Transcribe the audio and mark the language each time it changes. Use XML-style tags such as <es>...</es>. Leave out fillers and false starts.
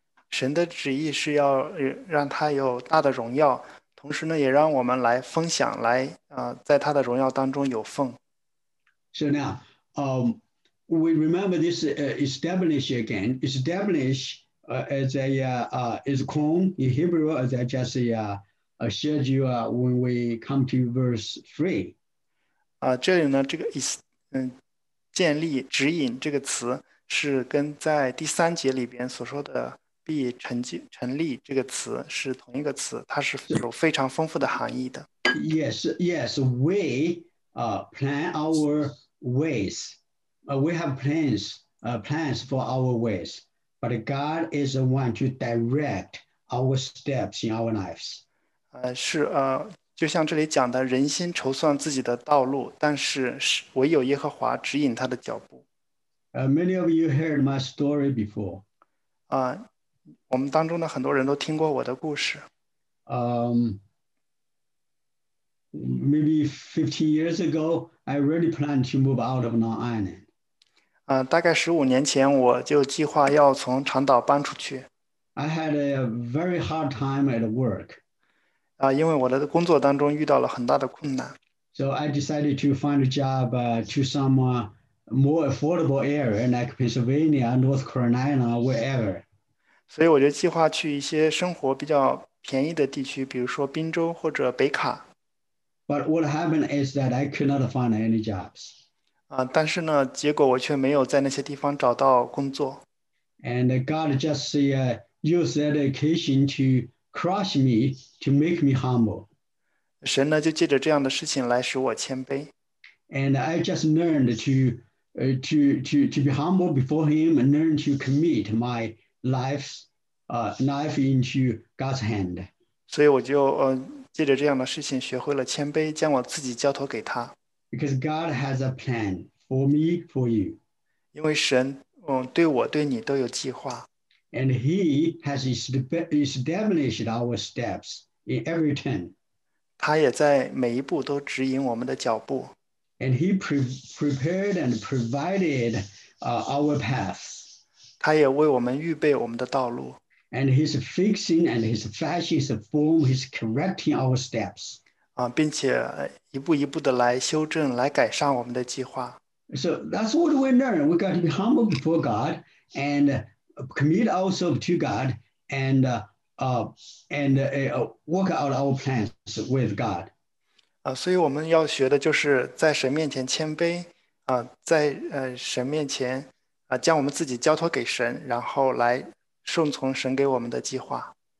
<zh>神的旨意是要让他有大的荣耀，同时呢，也让我们来分享，来在他的荣耀当中有份。</zh> <en>So now, we remember this establish again. Establish as a is called in Hebrew as I just showed you when we come to verse 3.</en> <zh>这里呢，这个建立、指引这个词是跟在第三节里边所说的。成立这个词是同一个词，它是有非常丰富的含义的。</zh> <en>Yes, yes, we plan our ways. We have plans, plans for our ways. But God is the one to direct our steps in our lives.</en> <zh>就像这里讲的，人心筹算自己的道路，但是唯有耶和华指引他的脚步。</zh> <en>Many of you heard my story before.</en> <zh>我们当中的很多人都听过我的故事。</zh> <en>Maybe 15 years ago, I really planned to move out of Long Island.</en> <zh>大概15年前我就计划要从长岛搬出去。</zh> <en>I had a very hard time at work.</en> <zh>因为我的工作当中遇到了很大的困难。</zh> <en>So I decided to find a job to some more affordable area like Pennsylvania, North Carolina, wherever.</en> <zh>所以我就计划去一些生活比较便宜的地区，比如说宾州或者北卡。</zh> <en>But what happened is that I could not find any jobs.</en> <zh>但是呢，结果我却没有在那些地方找到工作。</zh> <en>And God just used that occasion to crush me, to make me humble.</en> <zh>神呢，就借着这样的事情来使我谦卑。</zh> <en>And I just learned to be humble before Him and learn to commit my life knife into God's hand。</en> <zh>所以我就借着这样的事情学会了谦卑，将我自己交托给他。</zh> <en>Because God has a plan for me, for you.</en> <zh>因为神对我对你都有计划。</zh> <en>And He has established our steps in every turn.</en> <zh>他也在每一步都指引我们的脚步。</zh> <en>And He prepared and provided our paths.</en> <zh>他也为我们预备我们的道路。</zh> <en>And He's fixing and He's fashioning the form, He's correcting our steps.</en> <zh>并且一步一步的来修正，来改善我们的计划。</zh> <en>So that's what we learn. We got to be humble before God and commit ourselves to God and work out our plans with God.</en> <zh>所以我们要学的就是在神面前谦卑，在神面前，将我们自己交托给神，然后来顺从神给我们的计划。</zh>